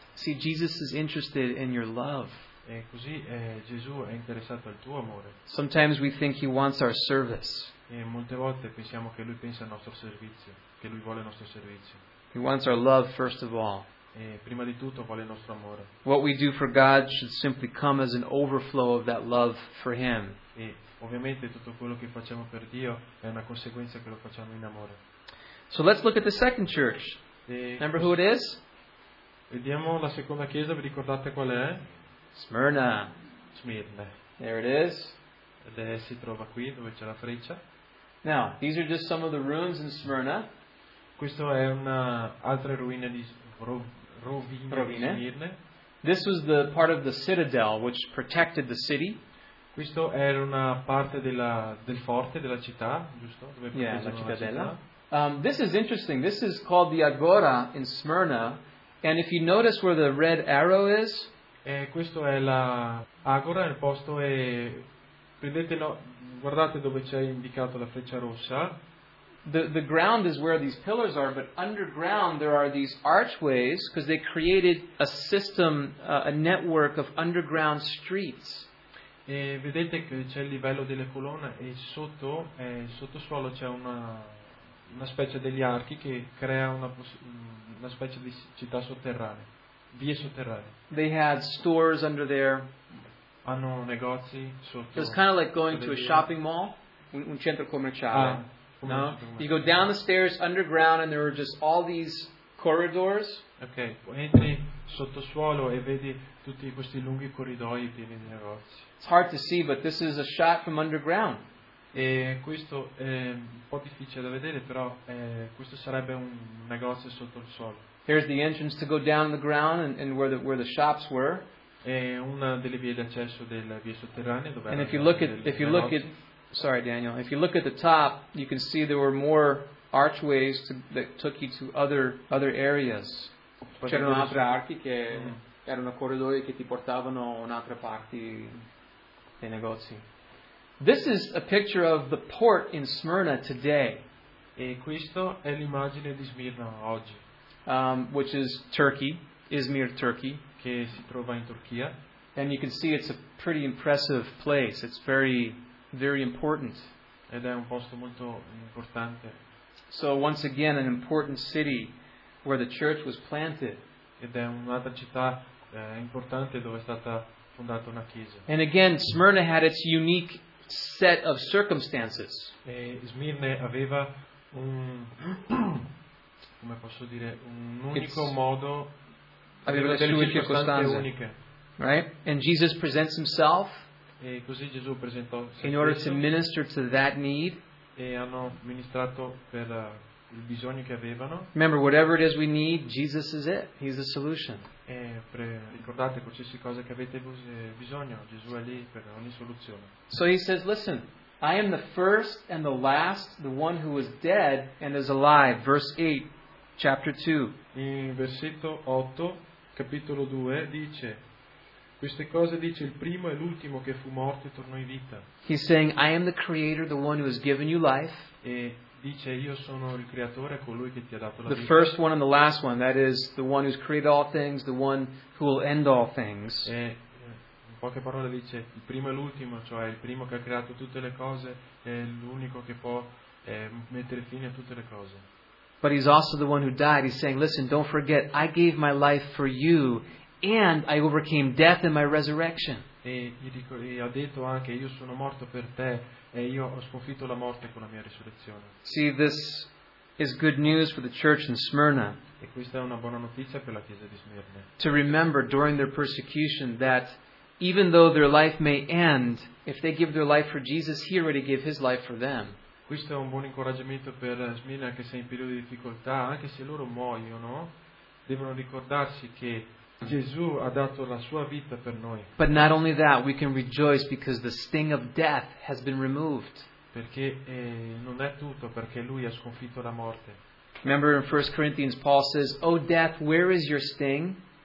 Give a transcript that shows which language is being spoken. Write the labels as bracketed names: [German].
[English] See, Jesus is interested in your love. [Italian] E così Gesù è interessato al tuo amore. [English] Sometimes we think he wants our service. [Italian] E molte volte pensiamo che lui pensa al nostro servizio, che lui vuole il nostro servizio. [English] He wants our love first of all. [Italian] E prima di tutto vuole il nostro amore. [English] What we do for God should simply come as an overflow of that love for him. [Italian] E ovviamente tutto quello che facciamo per Dio è una conseguenza che lo facciamo in amore. [English] So let's look at the second church. Remember who it is? [Italian] Vediamo la seconda chiesa, vi ricordate qual è? [English] Smyrna. [Italian] Smyrna. [English] There it is. [Italian] Ed è, si trova qui dove c'è la freccia. [English] Now, these are just some of the ruins in Smyrna. [Italian] Questo è una altra ruina di rovine di Smyrna. [English] This was the part of the citadel which protected the city. [Italian] Questo era una parte della, del forte della città, giusto? Dove la cittadella. [English] This is interesting. This is called the Agora in Smyrna, and if you notice where the red arrow is. [Italian] E questo è la Agora, il posto è, prendete, no, guardate dove c'è indicato la freccia rossa. [English] The ground is where these pillars are, but underground there are these archways because they created a system, a network of underground streets. [Italian] E vedete che c'è il livello delle colonne e sotto, sottosuolo c'è una specie degli archi che crea una specie di città sotterranea. Vie sotterranee. [English] They had stores under there. [Italian] Hanno negozi sotto. [English] It was kind of like going to a shopping mall, [Italian] un centro commerciale. Ah, no? [English] You go down the stairs underground, and there were just all these corridors. [Italian] Okay, entri sottosuolo e vedi tutti questi lunghi corridoi pieni di negozi. [English] It's hard to see, but this is a shot from underground. [Italian] E questo è un po' difficile da vedere, però questo sarebbe un negozio sotto il suolo. [English] Here's the entrance to go down the ground and where the shops were. [Italian] È una delle vie d'accesso della via sotterranea dove. [English] And if you look at the top, you can see there were more archways that took you to other areas. [Italian] C'erano altre archi che erano corridoi che ti portavano in altre parti dei negozi. [English] This is a picture of the port in Smyrna today. [Italian] E questo è l'immagine di Smirna oggi. [English] Which is Turkey, Izmir, Turkey. [Italian] Che si trova in Turchia. [English] And you can see it's a pretty impressive place. It's very, very important. [Italian] Ed è un posto molto importante. [English] So once again, an important city where the church was planted. [Italian] Ed è un'altra città importante dove è stata fondata una chiesa. [English] And again, Smyrna had its unique set of circumstances. [Italian] E Smirne aveva un come posso dire un unico modo, aveva le sue circostanze uniche, [English] right? And Jesus presents himself. [Italian] E così Gesù presentò [English] in order to minister to that need. [Italian] E hanno ministrato per il bisogno che avevano. [English] Remember, whatever it is we need, Jesus is it. He's the solution. [Italian] E ricordate, qualsiasi cosa che avete bisogno, Gesù è lì per ogni soluzione. [English] So he says, listen, I am the first and the last, the one who is dead and is alive. Verse 8, chapter 2. [Italian] In versetto 8, capitolo 2, dice, queste cose dice il primo e l'ultimo che fu morto e tornò in vita. [English] He's saying, I am the creator, the one who has given you life. [Italian] E dice, io sono il creatore, colui che ti ha dato la vita. [English] The first one and the last one, that is, the one who's created all things, the one who will end all things. [Italian] E in poche parole dice, il primo e l'ultimo, cioè il primo che ha creato tutte le cose, è l'unico che può mettere fine a tutte le cose. [English] But he's also the one who died. He's saying, listen, don't forget, I gave my life for you, and I overcame death in my resurrection. [Italian] E ha detto anche, io sono morto per te, e io ho sconfitto la morte con la mia risurrezione. [English] See, this is good news for the church in Smyrna. [Italian] E questa è una buona notizia per la chiesa di Smirne. [English] To remember during their persecution that even though their life may end, if they give their life for Jesus, He already gave His life for them. [Italian] Questo è un buon incoraggiamento per Smirne, anche se in periodo di difficoltà, anche se loro muoiono, devono ricordarsi che Gesù ha dato la sua vita per noi. [English] But not only that, we can rejoice because the sting of death has been removed. [Italian] Perché non è tutto, perché lui ha sconfitto la morte. [English] Remember in 1 Corinthians Paul says, "O death, where is your sting?"